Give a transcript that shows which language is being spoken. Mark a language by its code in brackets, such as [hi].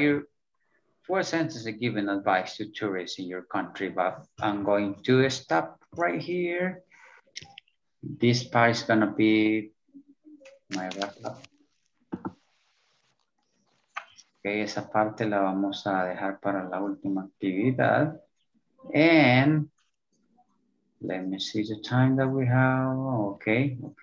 [en] Your four sentences are giving advice to tourists in your country, but I'm going to stop right here. This part is going to be my wrap up. [es] Okay, esa parte la vamos a dejar para la última actividad. [en] And let me see the time that we have. Okay.